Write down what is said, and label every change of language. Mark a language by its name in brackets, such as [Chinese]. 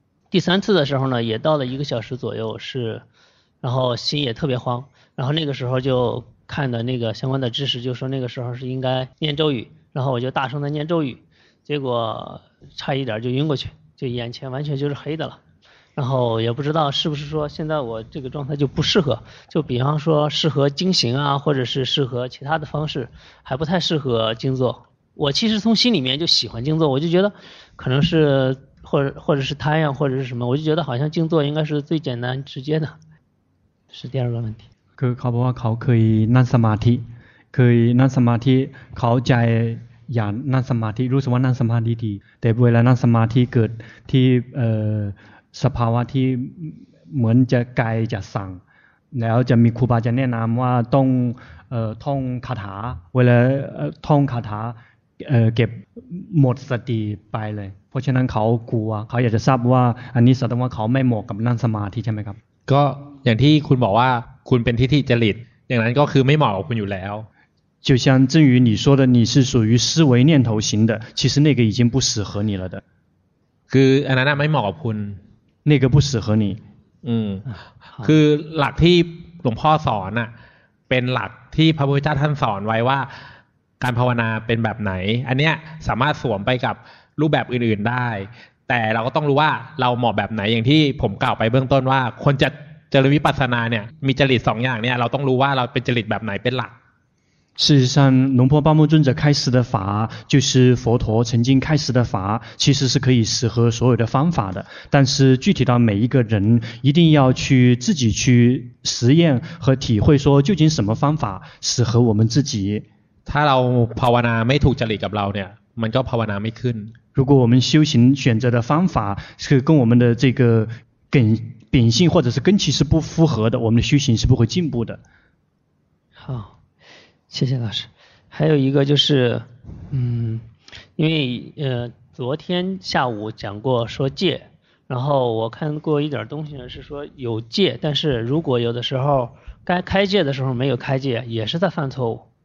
[Chinese] 第三次的时候呢也到了一个小时左右是然后心也特别慌然后那个时候就看的那个相关的知识就说那个时候是应该念咒语然后我就大声的念咒语结果差一点就晕过去就眼前完全就是黑的了然后也不知道是不是说现在我这个状态就不适合就比方说适合精行啊或者是适合其他的方式还不太适合静坐我其实从心里面就喜欢静坐我就觉得可能是或者是贪呀，或者是什么，我就觉得好像静坐应该是最简单直接的，是第二个问题。 [Thai] คือเขาบอกว่าเขาเคยนั่งสมาธิเคยนั่งสมาธิเขาใจอยากนั่งสมาธิรู้สึกว่านั่งสมาธิดีแต่เวลานั่งสมาธิเกิดที่สภาวะที่เหมือนจะไกลจะสั่งแล้วจะมีครูบาจะแนะนำว่าต้องท่องคาถาเวลาท่องคาถาเก็บหมดสติไปเลยเพราะฉะนั้นเขากลัวเขาอยากจะทราบว่าอันนี้แสดงว่าเขาไม่เหมาะกับนั่งสมาธิใช่ไหมครับ ก็อย่างที่คุณบอกว่าคุณเป็นทิฏฐิจริตอย่างนั้นก็คือไม่เหมาะกับคุณอยู่แล้ว [Chinese] 就像正如你说的你是属于思维念头型的其实那个已经不适合你了的 [Thai] คืออันนั้นไม่เหมาะกับคุณ [Chinese] 那个不适合你 [Thai] คือหลักที่หลวงพ่อสอนเป็นหลักที่พระพุทธเจ้าท่านสอนไว้ว่าการภาวนาเป็นแบบไหนอันเนี้ยสามารถสวมไปกับรูปแบบอื่นๆได้แต่เราก็ต้องรู้ว่าเราเหมาะแบบไหนอย่างที่ผมกล่าวไปเบื้องต้นว่าคนจะเจริญวิปัสสนาเนี่ยมีจริต2อย่างเนี่ยเราต้องรู้ว่าเราเป็นจริตแบบไหนเป็นหลัก [Chinese] 事实上龙婆巴木尊者开始的法就是佛陀曾经开始的法其实是可以适合所有的方法的但是具体到每一个人一定要去自己去实验和体会说究竟什么方法适合我们自己 [Thai] ถ้าเราภาวนาไม่ถูกจริตกับเราเนี่ยมันก็ภาวนาไม่ขึ้น [Chinese] 如果我们修行选择的方法是跟我们的这个根秉性或者是根气是不符合的，我们的修行是不会进步的。好，谢谢老师。还有一个就是，因为昨天下午讲过说戒，然后我看过一点东西呢，是说有戒，但是如果有的时候该开戒的时候没有开戒，也是在犯错误。